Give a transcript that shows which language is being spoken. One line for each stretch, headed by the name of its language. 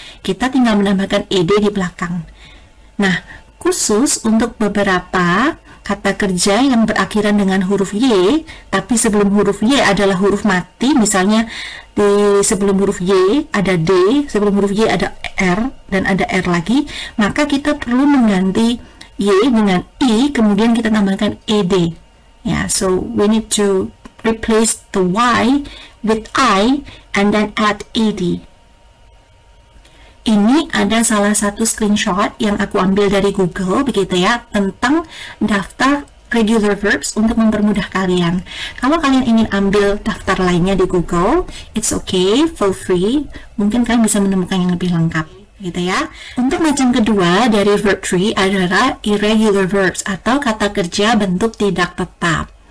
Indonesian: Kita tinggal menambahkan ed di belakang. Nah, khusus untuk beberapa kata kerja yang berakhiran dengan huruf Y, tapi sebelum huruf Y adalah huruf mati, misalnya di sebelum huruf Y ada D, sebelum huruf Y ada R, dan ada R lagi, maka kita perlu mengganti Y dengan I, kemudian kita tambahkan ED.
English: Ya, so we need to replace the Y with I, and then add ED.
Indonesian: Ini ada salah satu screenshot yang aku ambil dari Google, begitu ya, tentang daftar regular verbs untuk mempermudah kalian. Kalau kalian ingin ambil daftar lainnya di Google,
English: it's okay, feel free.
Indonesian: Mungkin kalian bisa menemukan yang lebih lengkap, gitu ya. Untuk macam kedua dari verb tree adalah irregular verbs atau kata kerja bentuk tidak tetap.